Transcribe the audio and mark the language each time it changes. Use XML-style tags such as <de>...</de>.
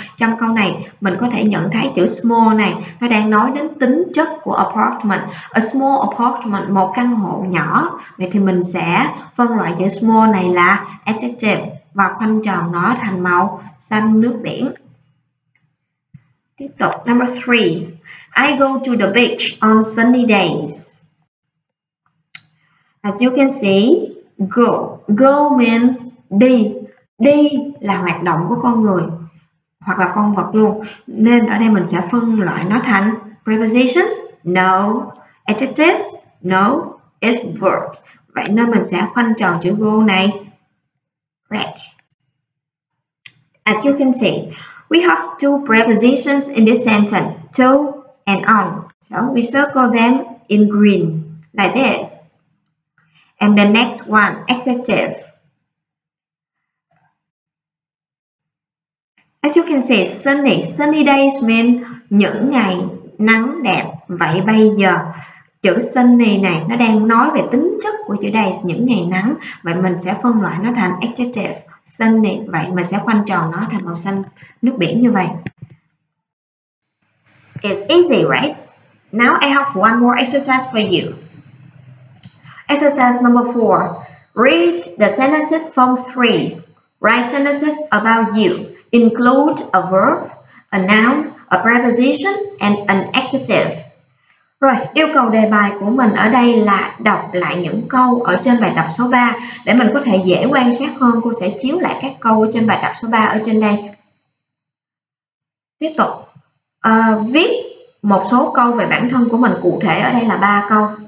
<vi>Trong câu này, mình có thể nhận thấy chữ small này, nó đang nói đến tính chất của apartment.</vi> <en>A small apartment,</en> <vi>một căn hộ nhỏ. Vậy thì mình sẽ phân loại chữ small này là adjective và khoanh tròn nó thành màu xanh nước biển. Tiếp tục, number 3.</vi> <en>I go to the beach on sunny days. As you can see, go means đi.</en> <vi>Đi là hoạt động của con người hoặc là con vật luôn, nên ở đây mình sẽ phân loại nó thành prepositions,</vi> <en>no, adjectives, no, it's verbs.</en> <vi>Vậy nên mình sẽ khoanh tròn chữ go này, red.</vi> <en>As you can see, we have two prepositions in this sentence, to and on. So we circle them in green like this. And the next one, adjective. As you can see, sunny.</en> <vi>Sunny days mean những ngày nắng đẹp. Vậy bây giờ, chữ sunny này nó đang nói về tính chất của chữ days, những ngày nắng. Vậy mình sẽ phân loại nó thành adjective, sunny. Vậy mình sẽ khoanh tròn nó thành màu xanh nước biển như vậy.</vi> <en>It's easy, right? Now I have one more exercise for you. Exercise number 4. Read the sentences from 3. Write sentences about you. Include a verb, a noun, a preposition, and an adjective.</en> <vi>Rồi, yêu cầu đề bài của mình ở đây là đọc lại những câu ở trên bài tập số 3. Để mình có thể dễ quan sát hơn, cô sẽ chiếu lại các câu trên bài tập số 3 ở trên đây. Tiếp tục, viết một số câu về bản thân của mình, cụ thể ở đây là 3 câu.</vi>